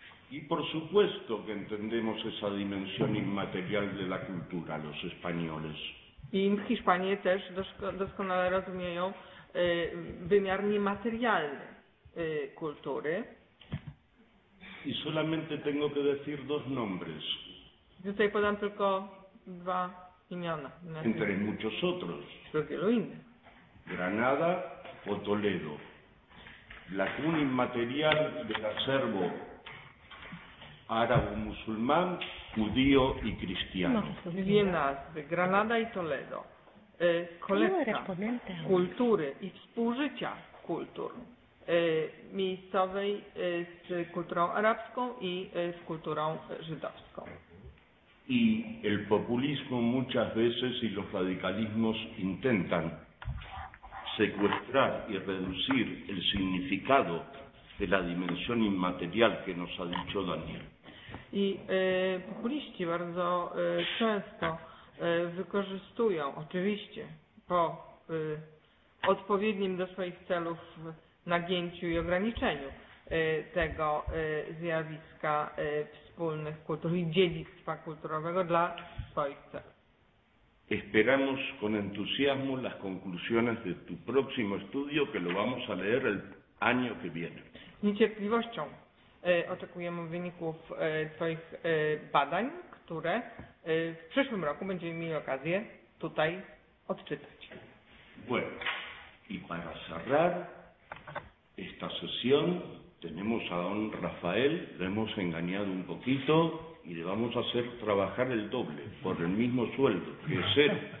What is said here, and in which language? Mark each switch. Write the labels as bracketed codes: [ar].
[es] I por supuesto que entendemos esa dimensión inmaterial de la cultura los españoles. [pl] I Hiszpanie też doskonale rozumieją wymiar niematerialny kultury. [es] Y solamente tengo que decir dos nombres. [pl] Tutaj podam tylko dwa imiona. [es] Entre muchos otros. [pl] Wśród wielu innych. [es] Granada o Toledo, la cuna inmaterial del acervo árabe musulmán, judío y cristiano. [pl] Viena, Granada y Toledo, colecta kultury i współżycia kultur, miejscowej z kulturą arabską i z kulturą żydowską. [es] Y el populismo muchas veces y los radicalismos intentan secuestrar y reducir el significado de la dimensión inmaterial que nos ha dicho Daniel. [pl] I populiści bardzo często wykorzystują, oczywiście po odpowiednim do swoich celów nagięciu i ograniczeniu tego zjawiska wspólnych kultur i dziedzictwa kulturowego dla swoich celów. [es] Esperamos con entusiasmo las conclusiones de tu próximo estudio, que lo vamos a leer el año que viene. [pl] Z niecierpliwością oczekujemy wyników Twoich badań, które w przyszłym roku będziemy mieli okazję tutaj odczytać. [es] Bueno, y para cerrar esta sesión, tenemos a don Rafael, lo hemos engañado un poquito. Y le vamos a hacer trabajar el doble por el mismo sueldo, que es cero.